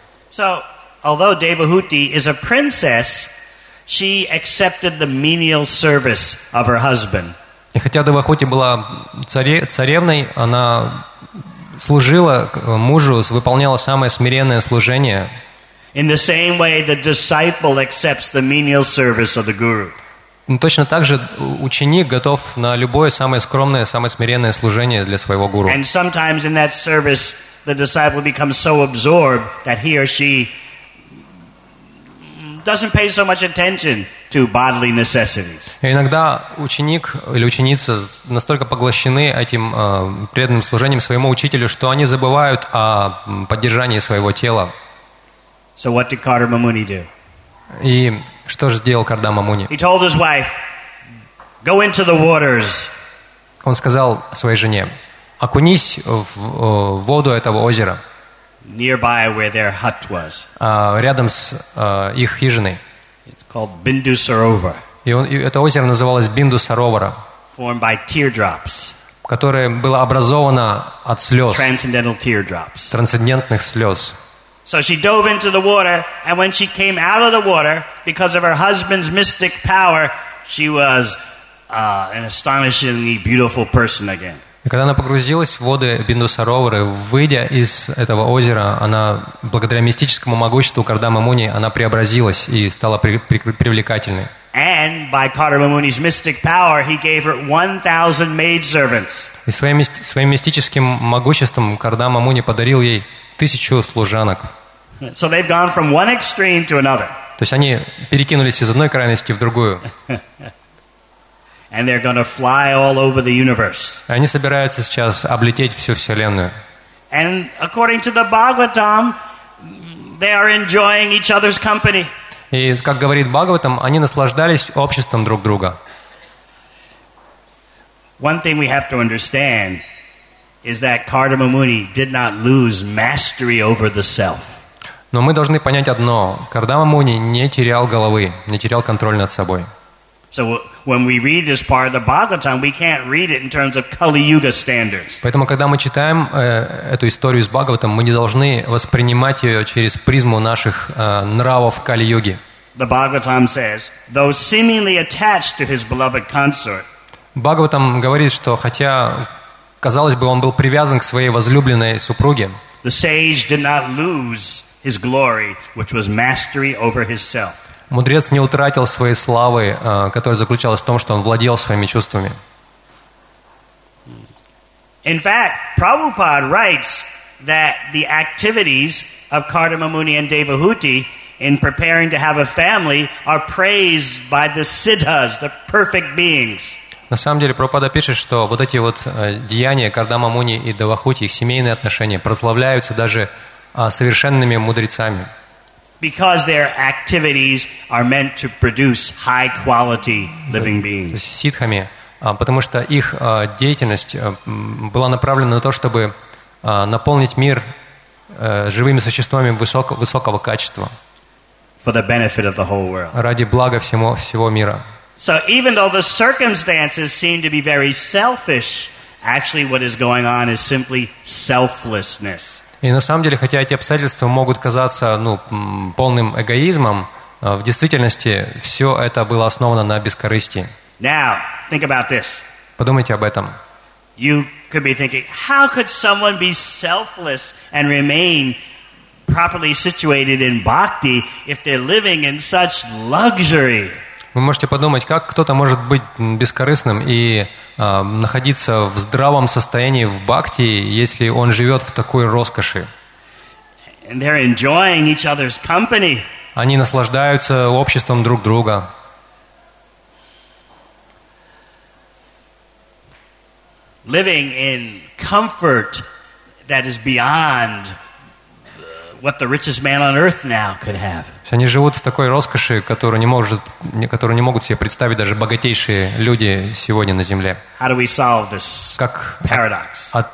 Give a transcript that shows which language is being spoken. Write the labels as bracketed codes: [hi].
[en] So, although Devahuti is a princess, she accepted the menial service of her husband. [ru] И хотя Девахути была царевной, она служила мужу, выполняла самое смиренное служение. [en] In the same way, the disciple accepts the menial service of the guru. [ru] Точно так же ученик готов на любое самое скромное, самое смиренное служение для своего гуру. [en] And sometimes in that service, the disciple becomes so absorbed that he or she doesn't pay so much attention to bodily necessities. [ru] Иногда ученик или ученица настолько поглощены этим преданным служением своему учителю, что они забывают о поддержании своего тела. [en] So what did Kardama Muni do? [ru] И что же сделал Кардама Муни? [en] He told his wife, "Go into the waters." [ru] Он сказал своей жене: "Окунись в воду этого озера." [en] Nearby where their hut was. [ru] Рядом с их хижиной. [en] It's called Bindu Sarovar. [ru] И это озеро называлось Бинду Саровара. [en] Formed by teardrops. [ru] Которое было образовано от слез. [en] Transcendental teardrops. [ru] Трансцендентных слез. [en] So she dove into the water, and when she came out of the water, because of her husband's mystic power, she was an astonishingly beautiful person again. [ru] И когда она погрузилась в воды Бинду-Сароваре, выйдя из этого озера, она, благодаря мистическому могуществу Кардама-Муни, она преобразилась и стала привлекательной. [en] And by Kardama-Muni's mystic power, he gave her 1,000 maid servants. [ru] И своим мистическим могуществом Кардама-Муни подарил ей 1,000 служанок. [en] So they've gone from one extreme to another. [ru] То есть они перекинулись из одной крайности в другую. [en] And they're going to fly all over the universe. [ru] Они собираются сейчас облететь всю вселенную. [en] And according to the Bhagavatam, they are enjoying each other's company. [ru] И как говорит Бхагаватам, они наслаждались обществом друг друга. [en] One thing we have to understand is that Kardama Muni did not lose mastery over the self. [ru] Но мы должны понять одно: Кардама Муни не терял головы, не терял контроль над собой. [en] So when we read this part of the Bhagavatam, we can't read it in terms of Kali Yuga standards. [ru] Поэтому, когда мы читаем эту историю с Бхагаватом, мы не должны воспринимать ее через призму наших нравов Кали Юги. [en] The Bhagavatam says, though seemingly attached to his beloved consort. [ru] Бхагаватам говорит, что хотя казалось бы, он был привязан к своей возлюбленной супруге. [en] The sage did not lose his glory, which was mastery over himself. [ru] Мудрец не утратил своей славы, которая заключалась в том, что он владел своими чувствами. [en] In fact, Prabhupada writes that the activities of Kardama Muni and Devahuti in preparing to have a family are praised by the siddhas, the perfect beings. [ru] На самом деле, Прабхупада пишет, что вот эти вот деяния Кардама Муни и Девахути, их семейные отношения, прославляются даже совершенными мудрецами. [en] Because their activities are meant to produce high-quality living beings. [ru] Сиддхами, потому что их деятельность была направлена на то, чтобы наполнить мир живыми существами высокого качества. [en] For the benefit of the whole world. [ru] Ради блага всего мира. [en] So even though the circumstances seem to be very selfish, actually what is going on is simply selflessness. [ru] И на самом деле, хотя эти обстоятельства могут казаться, ну, полным эгоизмом, в действительности все это было основано на бескорыстии. [en] Now, think about this. [ru] Подумайте об этом. [en] You could be thinking, how could someone be selfless and remain properly situated in bhakti if they're living in such luxury? [ru] Вы можете подумать, как кто-то может быть бескорыстным и находиться в здравом состоянии в бхакти, если он живет в такой роскоши. [en] And they're enjoying each other's company. [ru] Они наслаждаются обществом друг друга. [en] Living in comfort that is beyond what the richest man on earth now could have. [ru] Они живут в такой роскоши, которую не могут себе представить даже богатейшие люди сегодня на земле. [en] How do we solve this paradox?